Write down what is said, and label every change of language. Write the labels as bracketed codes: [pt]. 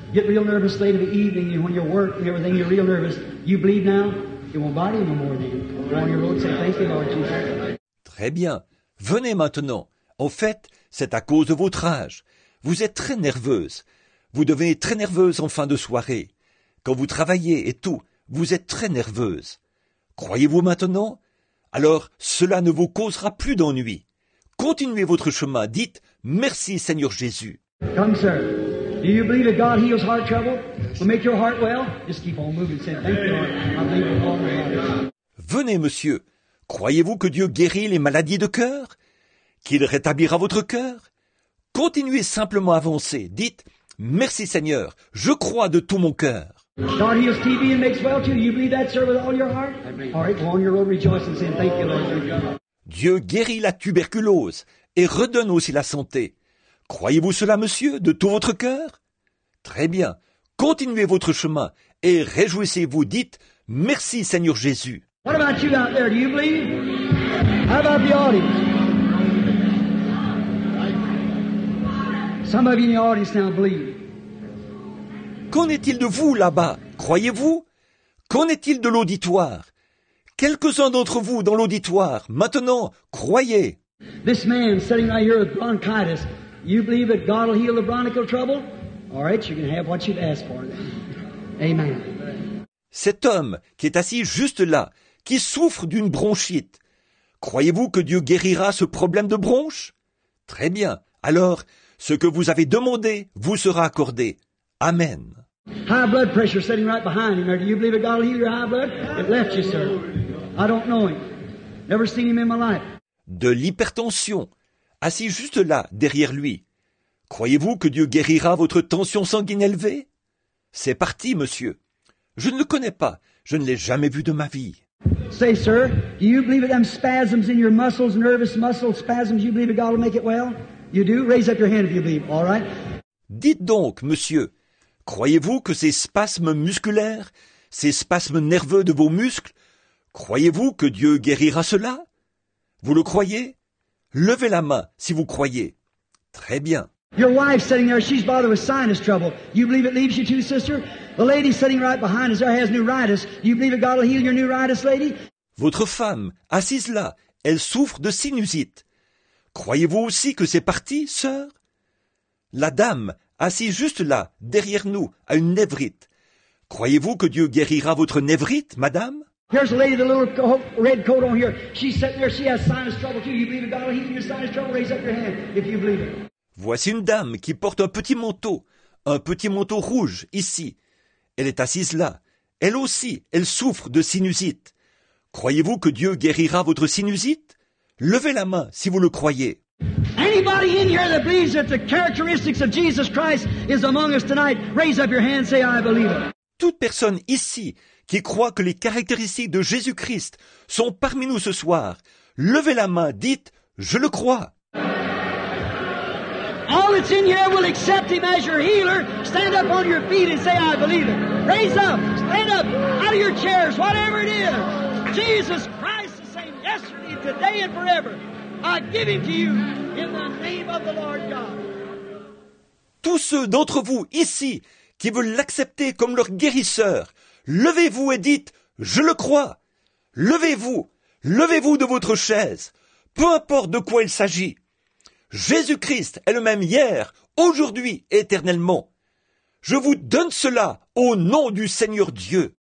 [en] Get real nervous late in the evening when you work and everything, you're real nervous. You bleed now, it won't bother you no more then. Go on your road, say thank you, Lord Jesus. [fr] Très bien. Venez maintenant. En fait, c'est à cause de votre âge. Vous êtes très nerveuse. Vous devenez très nerveuse en fin de soirée. Quand vous travaillez et tout, vous êtes très nerveuse. Croyez-vous maintenant? Alors, cela ne vous causera plus d'ennui. Continuez votre chemin. Dites merci, Seigneur Jésus. [en] Come, sir. Do you believe that God heals heart trouble? Yes. Will make your heart well? Just keep on moving. Say, thank you, Lord. I believe it all. [fr] Venez, monsieur. Croyez-vous que Dieu guérit les maladies de cœur? Qu'il rétablira votre cœur? Continuez simplement à avancer. Dites, merci Seigneur, je crois de tout mon cœur. [en] God heals TB and makes well too. You believe that, sir, with all your heart? All right, go on your road, rejoice and say, thank you, Lord. [fr] Dieu guérit la tuberculose et redonne aussi la santé. Croyez-vous cela, monsieur, de tout votre cœur? Très bien. Continuez votre chemin et réjouissez-vous. Dites, merci Seigneur Jésus. [en] What about you out there? Do you believe? How about the audience? Some of you in the audience now believe. [fr] Qu'en est-il de vous là-bas? Croyez-vous? Qu'en est-il de l'auditoire? Quelques-uns d'entre vous dans l'auditoire, maintenant, croyez. [en] This man sitting right here with bronchitis, you believe that God will heal the bronchial trouble? All right, you can have what you've asked for. Amen. [fr] Cet homme qui est assis juste là, qui souffre d'une bronchite. Croyez-vous que Dieu guérira ce problème de bronche? Très bien. Alors, ce que vous avez demandé vous sera accordé. Amen. [en] High blood pressure sitting right behind him. Do you believe that God will heal your high blood? It left you, sir. I don't know him. Never seen him in my life. [fr] De l'hypertension, assis juste là, derrière lui. Croyez-vous que Dieu guérira votre tension sanguine élevée? C'est parti, monsieur. Je ne le connais pas. Je ne l'ai jamais vu de ma vie. [en] Say, sir, do you believe that them spasms in your muscles, nervous muscle spasms, you believe that God will make it well? You do? Raise up your hand if you believe, all right? [fr] Dites donc, monsieur, croyez-vous que ces spasmes musculaires, ces spasmes nerveux de vos muscles, croyez-vous que Dieu guérira cela? Vous le croyez? Levez la main si vous croyez. Très bien. [en] Your wife sitting there, she's bothered with sinus trouble. You believe it leaves you too, sister? The lady sitting right behind us there has neuritis. You believe that God will heal your neuritis, lady? [fr] Votre femme, assise là, elle souffre de sinusite. Croyez-vous aussi que c'est parti, sœur? La dame, assise juste là, derrière nous, a une névrite. Croyez-vous que Dieu guérira votre névrite, madame? [en] Here's a lady with a little red coat on here. She's sitting there. She has signs of trouble too. You believe in God? He can give you signs of trouble. Raise up your hand if you believe it. [fr] Voici une dame qui porte un petit manteau rouge ici. Elle est assise là. Elle aussi, elle souffre de sinusite. Croyez-vous que Dieu guérira votre sinusite? Levez la main si vous le croyez. [en] Anybody in here that believes that the characteristics of Jesus Christ is among us tonight, raise up your hand and say, I believe it. [fr] Toute personne ici qui croit que les caractéristiques de Jésus-Christ sont parmi nous ce soir, levez la main, dites, je le crois. [en] All that's in here will accept him as your healer. Stand up on your feet and say, I believe it. Raise up, stand up, out of your chairs, whatever it is. Jesus Christ is saying yesterday, today and forever. I give him to you in the name of the Lord God. [fr] Tous ceux d'entre vous ici qui veulent l'accepter comme leur guérisseur, levez-vous et dites, je le crois. Levez-vous de votre chaise, peu importe de quoi il s'agit. Jésus-Christ est le même hier, aujourd'hui et éternellement. Je vous donne cela au nom du Seigneur Dieu.